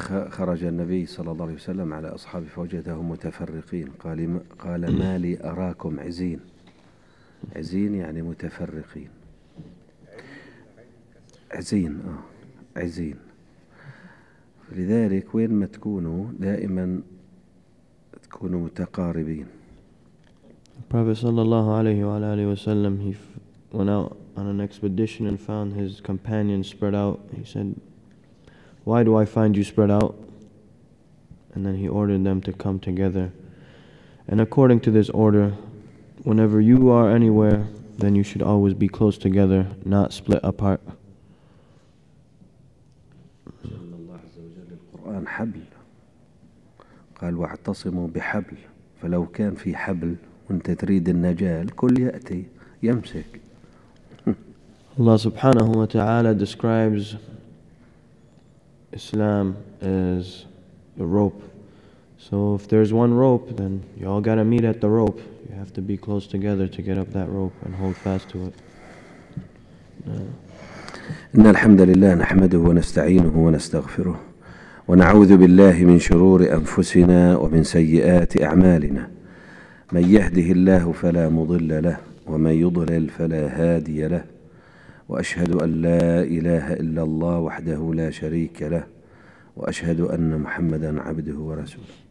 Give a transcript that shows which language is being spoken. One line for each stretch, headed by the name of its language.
Arabic: خرج النبي صلى الله عليه وسلم على أصحابه فوجدهم متفرقين، قال ما لي أراكم عزين، عزين يعني متفرقين، عزين عزين. لذلك وين ما تكونوا دائما تكونوا متقاربين.
English: Prophet sallallahu alayhi wa alayhi wa sallam, he went out on an expedition and found his companions spread out. He said, why do I find you spread out? And then he ordered them to come together. And according to this order, whenever you are anywhere, then you should always be close together, not split apart.
Arabic: القرآن حبل، قال واعتصموا بحبل، فلو كان في حبل وانت تريد النجاة الكل يأتي يمسك.
English: Allah subhanahu wa ta'ala describes Islam as a rope. So if there's one rope, then you all gotta meet at the rope. You have to be close together to get up that rope and hold fast to it.
Arabic: إن الحمد لله نحمده ونستعينه ونستغفره ونعوذ بالله من شرور أنفسنا ومن سيئات أعمالنا. من يهده الله فلا مضل له، ومن يضلل فلا هادي له. وأشهد أن لا إله إلا الله وحده لا شريك له، وأشهد أن محمدا عبده ورسوله.